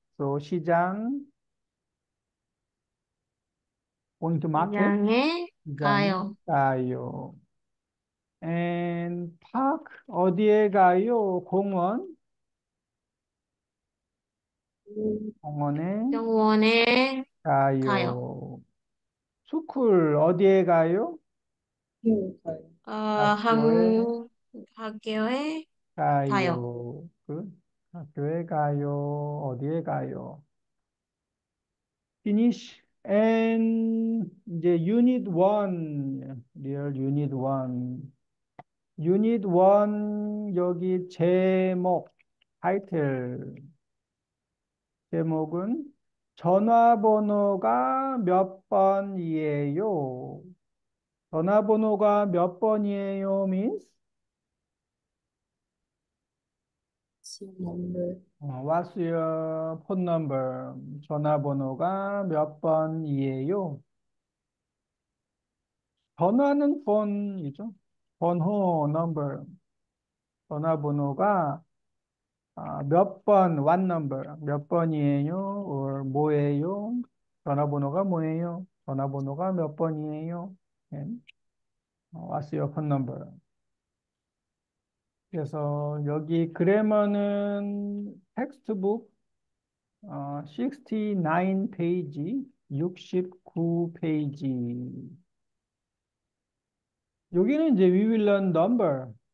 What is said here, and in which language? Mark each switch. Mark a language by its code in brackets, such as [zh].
[en] So 시장 going to market. [ko] 시장에 시장에 가요. 가요. [en] And park [ko] 어디에 가요? 공원. 공원에 영원에 가요. 가요. 스쿨 어디에 가요? 학교에 학교에 가요. 가요. 그 학교에 가요. 어디에 가요? [en] Finish and 이제 unit 1. Real unit 1. [ko] Unit 1 여기 제목 타이틀 제목은 전화번호가 몇 번이에요? 전화번호가 몇 번이에요, 미스? [en] number. What's your phone number? [ko] 전화번호가 몇 번이에요? 전화는 phone이죠. 번호, number. 전화번호가 몇 번, [en] one number. [ko] 몇 번이에요? or 뭐예요? 전화번호가 뭐예요? 전화번호가 몇 번이에요? [en] And what's your phone number? [ko] 그래서 여기 그래머는 텍스트북 69페이지, 69페이지. 여기는 이제 [en] we will learn number.